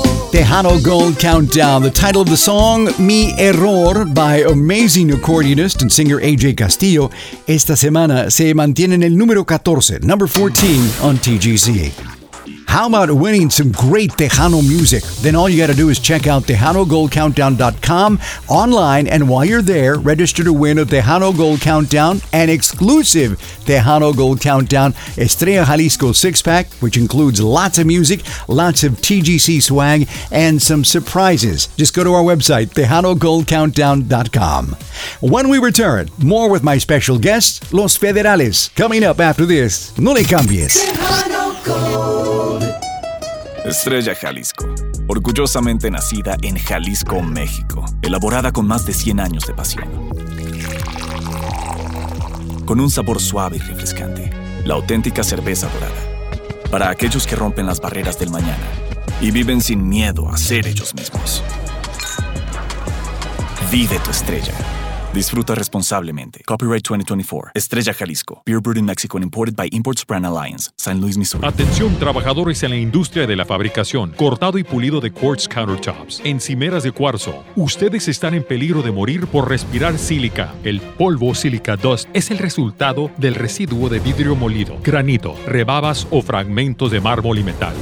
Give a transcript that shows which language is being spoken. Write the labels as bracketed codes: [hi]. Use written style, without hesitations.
[en] Tejano Gold Countdown, the title of the song, Mi Error, by amazing accordionist and singer AJ Castillo. [es] Esta semana se mantiene en el número 14, [en] number 14 on TGZ. How about winning some great Tejano music? Then all you gotta do is check out TejanoGoldCountdown.com online, and while you're there, register to win a Tejano Gold Countdown, an exclusive Tejano Gold Countdown Estrella Jalisco six-pack, which includes lots of music, lots of TGC swag, and some surprises. Just go to our website, TejanoGoldCountdown.com. When we return, more with my special guests, Los Federales, coming up after this. [es] No le cambies. Tejano Gold. Estrella Jalisco, orgullosamente nacida en Jalisco, México, elaborada con más de 100 años de pasión. Con un sabor suave y refrescante, la auténtica cerveza dorada. Para aquellos que rompen las barreras del mañana y viven sin miedo a ser ellos mismos. Vive tu estrella. Disfruta responsablemente. Copyright 2024. Estrella Jalisco. [en] Beer brewed in Mexico and imported by Imports Brand Alliance. San Luis, Missouri. [es] Atención, trabajadores en la industria de la fabricación, cortado y pulido de quartz countertops, encimeras de cuarzo. Ustedes están en peligro de morir por respirar sílica. El polvo sílica dust es el resultado del residuo de vidrio molido, granito, rebabas o fragmentos de mármol y metal.